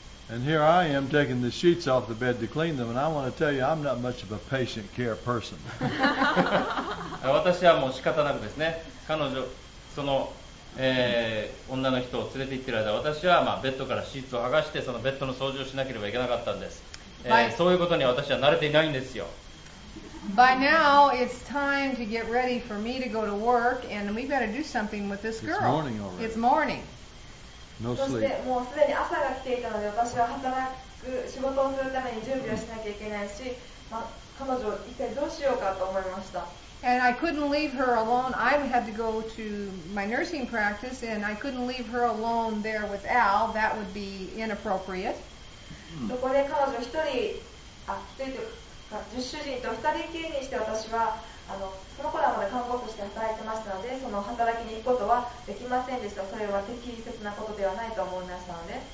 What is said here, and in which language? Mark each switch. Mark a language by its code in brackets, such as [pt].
[en] And here I am taking the sheets off the bed to clean them, and I want to tell you, I'm not much of a patient care person. [ja] 私はもう仕方なくですね、彼女、その、女の人を連れて行ってる間、私は、まあ、ベッドからシーツを剥がして、そのベッドの掃除をしなければいけなかったんです。そういうことには私は慣れていないんですよ。 [en] By now it's time to get ready for me to go to work and we better do something with this girl. It's morning already. It's morning. No sleep. [ja] そしてもうすでに朝が来ていたので私は働く仕事をするために準備をしなきゃいけないし、彼女を一体どうしようかと思いました。 [en] And I couldn't leave her alone. I had to go to my nursing practice and I couldn't leave her alone there with Al. That would be inappropriate. [ja] そこで彼女一人、一人というか、主人と二人きりにして私はあの、その頃はまだ看護師として働いてましたので、その働きに行くことはできませんでした。それは適切なことではないと思いましたので。